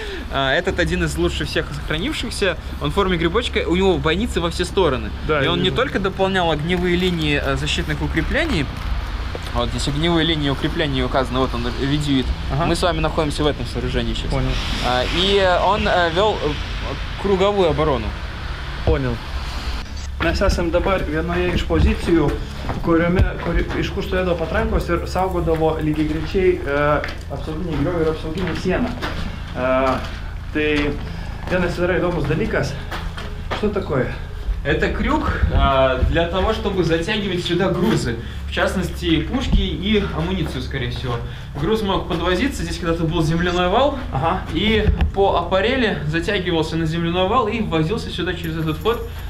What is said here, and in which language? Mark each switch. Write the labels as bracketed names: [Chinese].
[Russian] Этот один из лучших всех сохранившихся. Он в форме грибочка, у него бойницы во все стороны. Да, и он не только дополнял огневые линии защитных укреплений. Вот здесь огневые линии укреплений указаны, вот он видит. Мы с вами находимся в этом сооружении сейчас. Понял. И он вел круговую оборону. Понял. [Lithuanian] Mes esam dabar vienoje iš pozicijų, kuriame, iš kur stovėdavo patrankos ir saugodavo lygiai greičiai apsauginį griovį ir apsauginį sieną. Tai vienas yra įdomus dalykas. [Russian] Что такое? Это крюк для того, чтобы затягивать сюда грузы. В частности, пушки и амуницию, скорее всего. Груз мог подвозиться, здесь когда-то был земляной вал. И по опорели затягивался на земляной вал и ввозился сюда через этот вход.